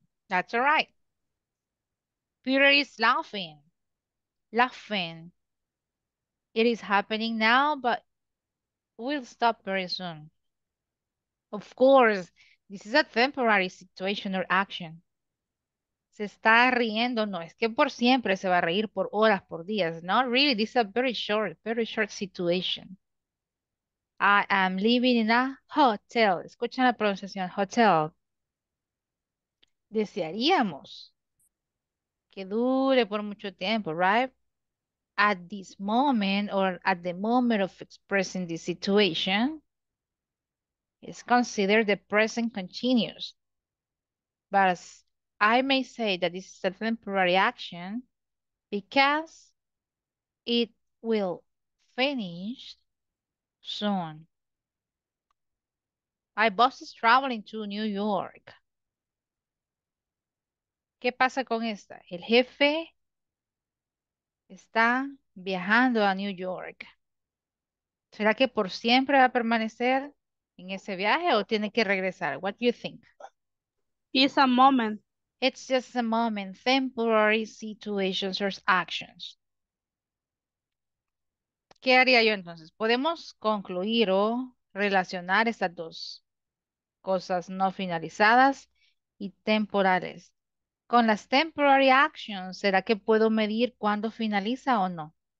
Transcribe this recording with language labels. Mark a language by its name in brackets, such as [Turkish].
[English] That's all right. Peter is laughing. Laughing. It is happening now, but we'll stop very soon. Of course, this is a temporary situation or action. [Spanish] Se está riendo, no, es que por siempre se va a reír, por horas, por días. [English] Not really, this is a very short situation. I am living in a hotel. [Spanish] Escuchen la pronunciación, hotel. Desearíamos que dure por mucho tiempo, right? [English] At this moment, or at the moment of expressing this situation, it's considered the present continuous. But as I may say that this is a temporary action because it will finish soon. My boss is traveling to New York. [Spanish] ¿Qué pasa con esta? El jefe está viajando a New York. ¿Será que por siempre va a permanecer en ese viaje o tiene que regresar? [English] What do you think? It's a moment. It's just a moment, temporary situations or actions. [Spanish] ¿Qué haría yo entonces? ¿Podemos concluir o relacionar estas dos cosas no finalizadas y temporales? Con las temporary actions, ¿será que puedo medir cuándo finaliza o no?